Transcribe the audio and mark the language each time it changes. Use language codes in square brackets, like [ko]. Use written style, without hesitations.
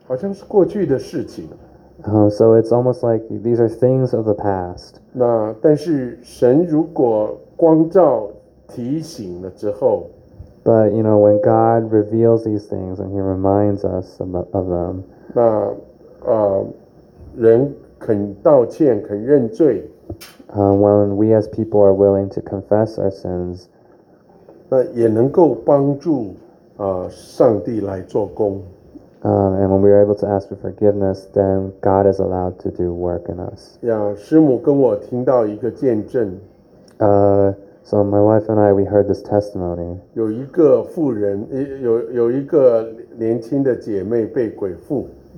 [zh] 好像是过去的事情。 [en] So it's almost like these are things of the past. [zh] 那但是神如果光照提醒了之后， [en] But you know, when God reveals these things and he reminds us of them, [zh] 那人肯道歉，肯认罪， [en] When we as people are willing to confess our sins, [zh] 那也能够帮助上帝来做工。 [en] And when we are able to ask for forgiveness, then God is allowed to do work in us. Yeah, [zh] 师母跟我听到一个见证。 [en] So my wife and I, we heard this testimony. [zh] 有一个妇人，有一个年轻的姐妹被鬼附。